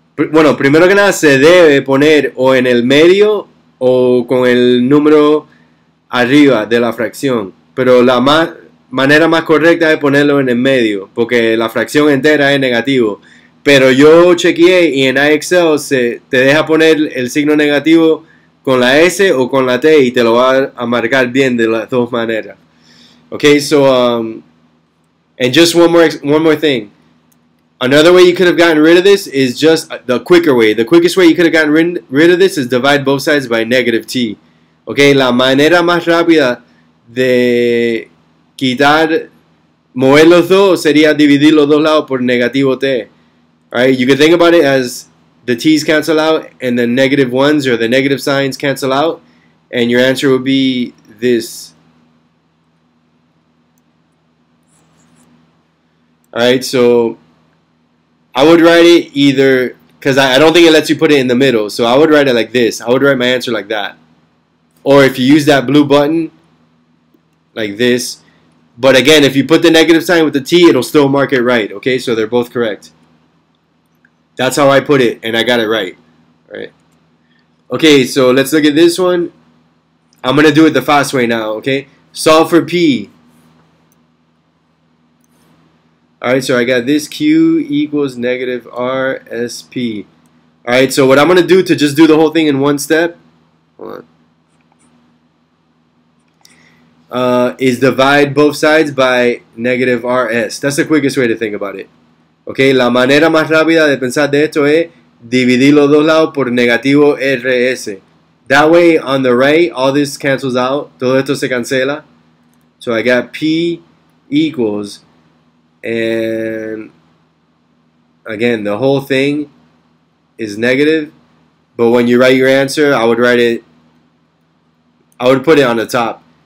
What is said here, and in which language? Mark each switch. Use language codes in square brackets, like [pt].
[es] Bueno, primero que nada se debe poner o en el medio o con el número arriba de la fracción, pero la más manera más correcta es ponerlo en el medio, porque la fracción entera es negativo. Pero yo chequeé y en IXL se te deja poner el signo negativo con la S o con la T y te lo va a marcar bien de las dos maneras. [en] Okay, so and just one more thing. Another way you could have gotten rid of this is just the quicker way. The quickest way you could have gotten rid of this is divide both sides by negative t. [es] Okay, la manera más rápida de quitar, mover los dos sería dividir los dos lados por negativo t. [en] All right, you can think about it as the t's cancel out and the negative ones or the negative signs cancel out, and your answer would be this. All right, so I would write it either, because I don't think it lets you put it in the middle. So I would write it like this. I would write my answer like that. Or if you use that blue button, like this. But again, if you put the negative sign with the T, it'll still mark it right. Okay, so they're both correct. That's how I put it, and I got it right. All right. Okay, so let's look at this one. I'm gonna do it the fast way now, okay? Solve for P. All right, so I got this Q equals negative R S P. All right, so what I'm gonna do to just do the whole thing in one step, hold on, is divide both sides by negative R S. That's the quickest way to think about it. [es] Okay, la manera más rápida de pensar de esto es dividir los dos lados por negativo R S. [en] That way, on the right, all this cancels out. [es] Todo esto se cancela. [en] So I got P equals. And again, the whole thing is negative, but when you write your answer, I would put it on the top.